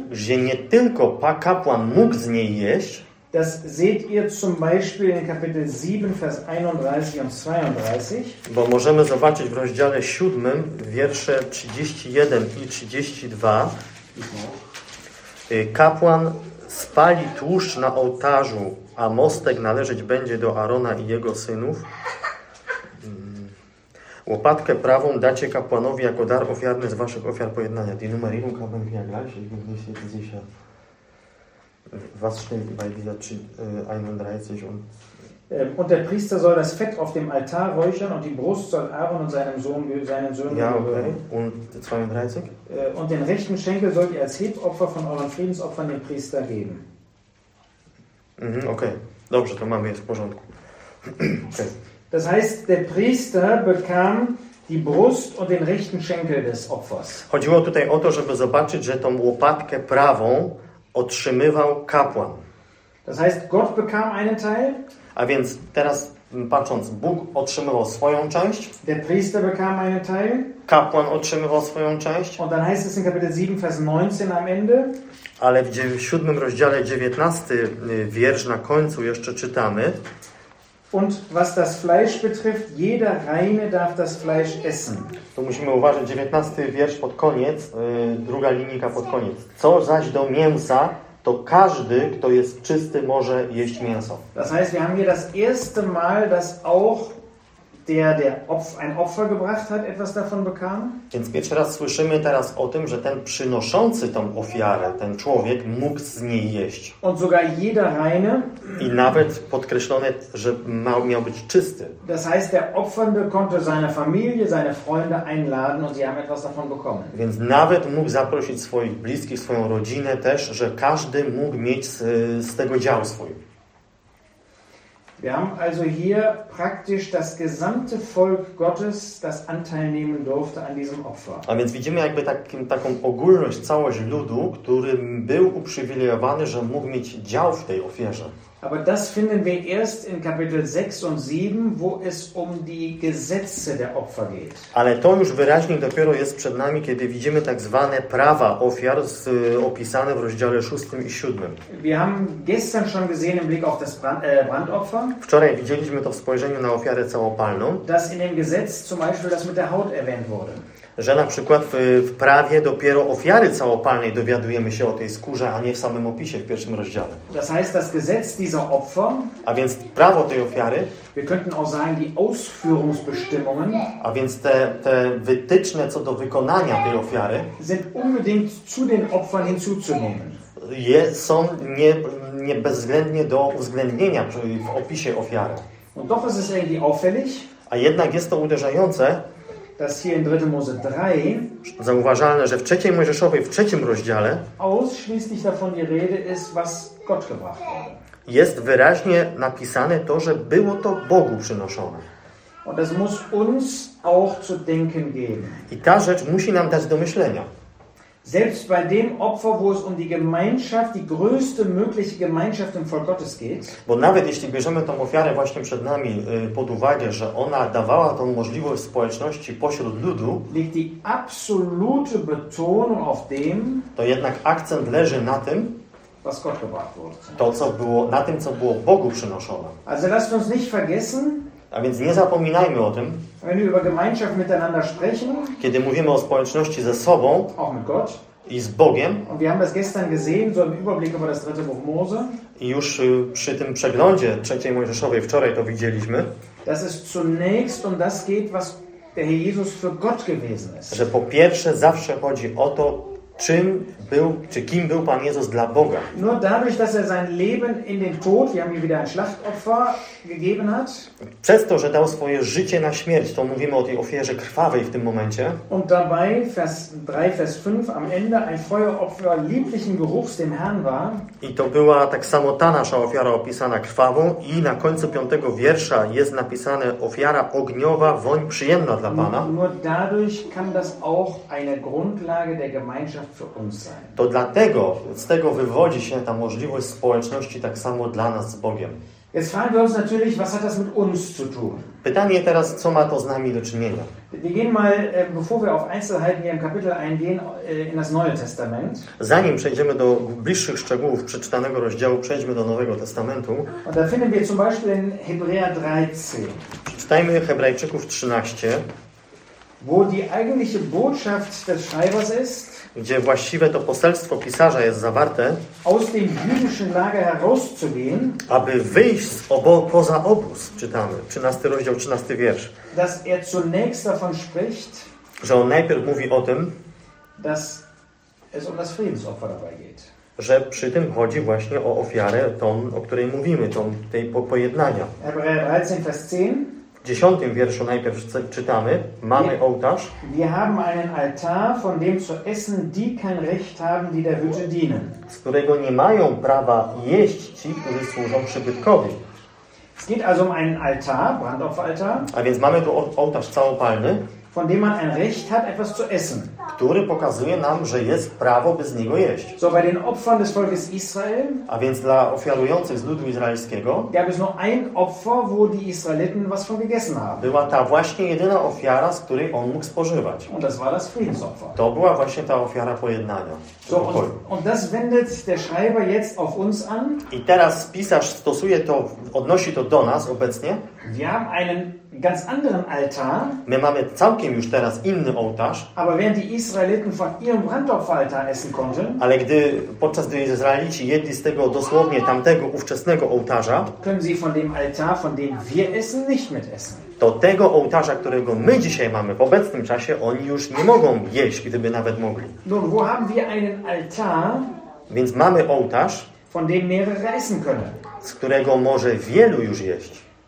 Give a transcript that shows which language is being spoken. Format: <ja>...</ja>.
<pl>że nie tylko kapłan mógł z niej jeść.</pl> <de>Das seht ihr zum Beispiel in Kapitel 7, Vers 31 und 32.</de> <pl>Bo możemy zobaczyć w rozdziale 7, wiersze 31 i 32. Kapłan spali tłuszcz na ołtarzu, a mostek należeć będzie do Arona i jego synów. Łopatkę prawą dacie kapłanowi jako dar ofiarny z waszych ofiar pojednania.</pl> <de>Die Nummer 7 kann man hier gleich, ich bin nicht jetzt sicher. Was steht bei dieser 31 und der Priester soll das Fett auf dem Altar räuchern und die Brust soll Aaron und seinen Söhnen ja, okay. Und 32? Und den rechten Schenkel sollt ihr als Hebopfer von euren Friedensopfern dem Priester geben.</de> <pl>Okay, dobrze, to mamy</pl> <de>jetzt</de> <pl>w porządku. Okay.</pl> <de>Das heißt, der Priester bekam die Brust und den rechten Schenkel des Opfers.</de> <pl>Chodziło tutaj o to, żeby zobaczyć, że tą łopatkę prawą otrzymywał kapłan.</pl> <de>Das heißt, Gott bekam einen Teil.</de> <pl>A więc teraz patrząc, Bóg otrzymywał swoją część.</pl> <de>Der Priester bekam einen Teil.</de> <pl>Kapłan otrzymywał swoją część.</pl> <de>Und dann heißt es in Kapitel 7, Vers 19 am Ende.</de> <pl>Ale w 7 rozdziale 19 wiersz na końcu jeszcze czytamy.</pl> <de>Und was das Fleisch betrifft, jeder Reine darf das Fleisch essen.</de> <pl>Tu musimy uważać, 19 wiersz pod koniec, druga linijka pod koniec. Co zaś do mięsa, to każdy, kto jest czysty, może jeść mięso.</pl> <de>Das heißt, wir haben hier das erste Mal, dass auch ein Opfer gebracht hat, etwas davon bekam.</de> <pl>Więc pierwszy raz słyszymy teraz o tym, że ten przynoszący tą ofiarę, ten człowiek, mógł z niej jeść.</pl> <de>Und sogar jeder reine.</de> <pl>I nawet podkreślone, że miał być czysty.</pl> <de>Das heißt, der Opfernde konnte seine Familie, seine Freunde einladen und sie haben etwas davon bekommen.</de> <pl>Więc nawet mógł zaprosić swoich bliskich, swoją rodzinę też, że każdy mógł mieć z tego dział swój.</pl> <de>Wir haben also hier praktisch das gesamte Volk Gottes, das Anteil nehmen durfte an diesem Opfer.</de> <pl>A więc widzimy jakby taką ogólność, całość ludu, który był uprzywilejowany, że mógł mieć dział w tej ofierze.</pl> <de>Aber das finden wir erst in Kapitel 6 und 7, wo es um die Gesetze der Opfer geht.</de> <pl>Ale to już wyraźnie dopiero jest przed nami, kiedy widzimy tak zwane prawa ofiar opisane w rozdziale 6 i 7.</pl> <de>Wir haben gestern schon gesehen im Blick auf das Brandopfer.</de> <pl>Wczoraj widzieliśmy to w spojrzeniu na ofiarę całopalną.</pl> <de>Das in dem Gesetz zum Beispiel das mit der Haut erwähnt wurde.</de> <pl>Że na przykład w prawie dopiero ofiary całopalnej dowiadujemy się o tej skórze, a nie w samym opisie, w pierwszym rozdziale.</pl> <de>Das heißt, das Gesetz dieser Opfer,</de> <pl>a więc prawo tej ofiary,</pl> <de>wir könnten auch sagen, die Ausführungsbestimmungen,</de> <pl>a więc te wytyczne co do wykonania tej ofiary,</pl> <de>sind unbedingt zu den Opfern hinzuzunehmen.</de> <pl>Są nie bezwzględnie do uwzględnienia w opisie ofiary.</pl> <de>Und doch ist es irgendwie auffällig,</de> <pl>a jednak jest to uderzające,</pl> <de>dass hier in 3. Mose 3,</de> <pl>zauważalne, że w 3. Mojżeszowej, w 3. rozdziale,</pl> <de>ausschließlich davon die Rede ist, was Gott gebracht hat.</de> <pl>Jest wyraźnie napisane to, że było to Bogu przynoszone.</pl> <de>Und das muss uns auch zu denken geben.</de> <pl>I ta rzecz musi nam dać do myślenia.</pl> <de>Selbst bei dem Opfer, wo es um die Gemeinschaft, die größte mögliche Gemeinschaft im Volk Gottes geht.</de> <pl>Bo nawet jeśli bierzemy tą ofiarę właśnie przed nami pod uwagę, że ona dawała tą możliwość społeczności pośród ludu,</pl> <de>liegt die absolute Betonung auf dem,</de> <pl>to jednak akcent leży na tym,</pl> <de>was Gott gebracht wurde.</de> <pl>To co było, na tym, co było Bogu przynoszone.</pl> <de>Also lasst uns nicht vergessen,</de> <pl>a więc nie zapominajmy o tym,</pl> <de>wenn wir über Gemeinschaft miteinander sprechen,</de> <pl>kiedy mówimy o społeczności ze sobą</pl> <de>auch mit Gott,</de> <pl>i z Bogiem.</pl> <de>Und wir haben das gestern gesehen, so im Überblick über das dritte Buch Mose.</de> <pl>I już przy tym przeglądzie trzeciej Mojżeszowej wczoraj to widzieliśmy.</pl> <de>Das ist zunächst um das geht, was der Herr Jesus für Gott gewesen ist.</de> <pl>Że po pierwsze zawsze chodzi o to, czym był, czy kim był Pan Jezus dla Boga?</pl> <de>Nur dadurch, dass er sein Leben in den Tod, wir haben hier wieder ein Schlachtopfer, gegeben hat.</de> <pl>Przez to, że dał swoje życie na śmierć, to mówimy o tej ofierze krwawej w tym momencie.</pl> <de>Und dabei, Vers 3, Vers 5, am Ende ein Feueropfer lieblichen Geruchs dem Herrn war.</de> <pl>I to była tak samo ta nasza ofiara opisana krwawą i na końcu 5 wiersza jest napisane ofiara ogniowa, woń przyjemna dla Pana.</pl> <de>Nur dadurch kann das auch eine Grundlage der Gemeinschaft für uns sein.</de> <pl>To dlatego, z tego wywodzi się ta możliwość społeczności tak samo dla nas z Bogiem.</pl> <de>Jetzt fragen wir uns natürlich, was hat das mit uns zu tun?</de> <pl>Pytanie teraz, co ma to z nami do czynienia?</pl> <de>Wir gehen mal, bevor wir auf Einzelheiten hier im Kapitel eingehen, in das Neue Testament.</de> <pl>Zanim przejdziemy do bliższych szczegółów przeczytanego rozdziału, przejdźmy do Nowego Testamentu.</pl> <de>Und da finden wir zum Beispiel in Hebräer 13.</de> <pl>Przeczytajmy Hebrajczyków 13.</pl> <de>Wo die eigentliche Botschaft des Schreibers ist.</de> <pl>Gdzie właściwe to poselstwo pisarza jest zawarte,</pl> <de>aus dem jüdischen Lager herauszugehen,</de> <pl>aby wyjść z poza obóz, czytamy, 13 rozdział, 13 wiersz,</pl> <de>dass er zunächst davon spricht,</de> <pl>że on najpierw mówi o tym,</pl> <de>dass es um das Friedensopfer dabei geht.</de> <pl>Że przy tym chodzi właśnie o ofiarę, tą, o której mówimy, tą, tej pojednania.</pl> <de>Hebräer 13, Vers 10.</de> <pl>W 10 wierszu najpierw czytamy, mamy ołtarz.</pl> <de>Wir haben einen Altar, von dem zu essen, die kein Recht haben, die der Hütte dienen.</de> <pl>Z którego nie mają prawa jeść ci, którzy służą przybytkowi.</pl> <de>Es geht also um einen Altar, Brandopferaltar.</de> <pl>A więc mamy tu ołtarz całopalny.</pl> <de>Von dem man ein Recht hat, etwas zu essen.</de> <pl>Który pokazuje nam, że jest prawo, by z niego jeść.</pl> <de>So, bei den Opfern des Volkes Israel,</de> <pl>a więc dla ofiarujących z ludu izraelskiego,</pl> <de>gab es nur ein Opfer, wo die Israeliten was von gegessen haben.</de> <pl>Była ta właśnie jedyna ofiara, z której on mógł spożywać.</pl> <de>Und das war das Friedensopfer.</de> <pl>To była właśnie ta ofiara pojednania.</pl> <de>So, und das wendet der Schreiber jetzt auf uns an.</de> <pl>I teraz pisarz stosuje to, odnosi to do nas obecnie.</pl> <de>Wir haben einen ganz anderen Altar.</de> <pl>My mamy całkiem już teraz inny ołtarz.</pl> <de>Aber während die Israeliten von ihrem Brandopferaltar essen konnten.</de> <pl>Ale gdy podczas gdy Izraelici jedli z tego dosłownie tamtego ówczesnego ołtarza.</pl> <de>Können sie von dem Altar, von dem wir essen, nicht mit essen.</de> <pl>To tego ołtarza, którego my dzisiaj mamy w obecnym czasie, oni już nie mogą jeść, gdyby nawet mogli.</pl> <de>Nun, wo haben wir einen Altar?</de> <pl>Więc mamy ołtarz,</pl> <de>von dem mehrere essen können.</de> <pl>Z którego może wielu już jeść.</pl>